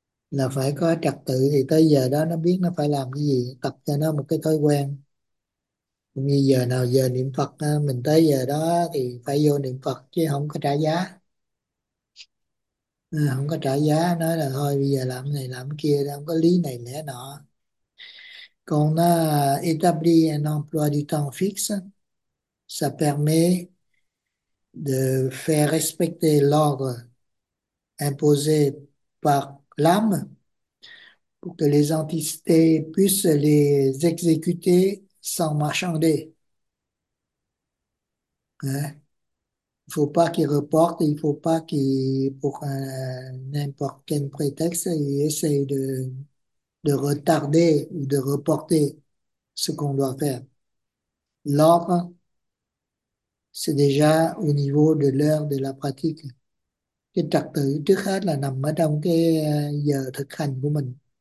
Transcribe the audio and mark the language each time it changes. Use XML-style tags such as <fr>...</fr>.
<vi>Là phải có trật tự thì tới giờ đó nó biết nó phải làm cái gì, tập cho nó một cái thói quen. Cũng như giờ nào giờ niệm Phật, mình tới giờ đó thì phải vô niệm Phật chứ không có trả giá. Không có trả giá, nói là thôi bây giờ làm này làm kia, không có lý này lẽ nọ. Còn nó</vi> <fr>établi un emploi du temps fixe, ça permet de faire respecter l'ordre imposé par l'âme pour que les entités puissent les exécuter sans marchander. Il ne faut pas qu'il reporte, il ne faut pas qu'il, pour n'importe quel prétexte, il essaye de retarder ou de reporter ce qu'on doit faire. L'ordre, c'est déjà au niveau de l'heure de la pratique.</fr> <vi>Cái trật tự trước hết là nằm ở trong cái giờ thực hành của mình.</vi>